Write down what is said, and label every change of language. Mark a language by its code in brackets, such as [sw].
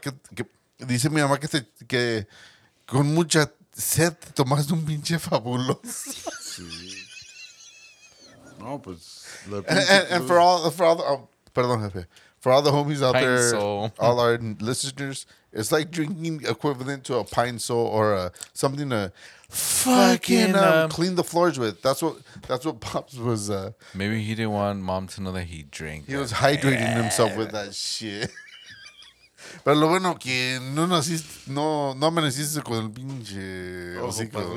[es] Que dice mi mamá que con mucha sed te tomaste un pinche fabuloso. Sí. No, pues... [en] And for all the homies out there, all our listeners, it's like drinking equivalent to a pine sole or something to fucking clean the floors with. That's what Pops was. Maybe he didn't want mom to know that he drank. He was hydrating himself with that shit. [es] Pero lo bueno que no naciste, no amaneciste con el pinche hocico.